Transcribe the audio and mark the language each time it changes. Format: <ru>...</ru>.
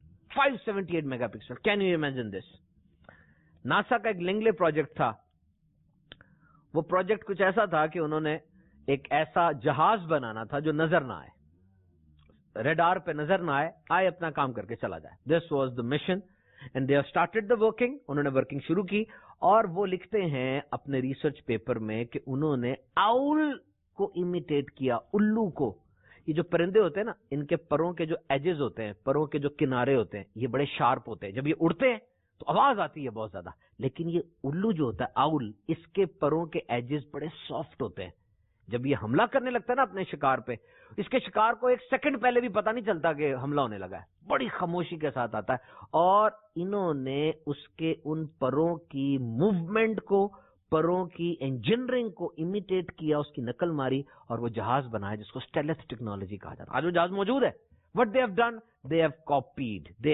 <ur>578 mega pixel, can you imagine this? NASA کا ایک لنگلے project تھا, وہ پروجیکٹ کچھ ایسا تھا کہ انہوں نے ایک ایسا جہاز بنانا تھا جو نظر نہ آئے, ریڈار پہ نظر نہ آئے, آئے اپنا کام کر کے چلا جائے.</ur> <en>This was the mission and they have started the working, انہوں نے working شروع کی.</en> <ur>اور وہ لکھتے ہیں اپنے ریسرچ پیپر میں کہ انہوں نے آؤل کو امیٹیٹ کیا, الو کو. یہ جو پرندے ہوتے ہیں نا, ان کے پروں کے جو ایجز ہوتے ہیں, پروں کے جو کنارے ہوتے ہیں, یہ بڑے شارپ ہوتے ہیں, جب یہ اڑتے ہیں تو آواز آتی ہے بہت زیادہ, لیکن یہ الو جو ہوتا ہے آؤل, اس کے پروں کے ایجز بڑے سافٹ ہوتے ہیں. جب یہ حملہ کرنے لگتا ہے نا اپنے شکار پہ, اس کے شکار کو ایک سیکنڈ پہلے بھی پتا نہیں چلتا کہ حملہ ہونے لگا ہے, بڑی خاموشی کے ساتھ آتا ہے. اور انہوں نے اس کے ان پروں کی موومنٹ کو, پروں کی انجینئرنگ کو امیٹیٹ کیا, اس کی نقل ماری, اور وہ جہاز بنایا جس کو سٹیلتھ ٹیکنالوجی کہا جاتا ہے. آج وہ جہاز موجود ہے.</ur> <en>What they have done, they have copied.</en>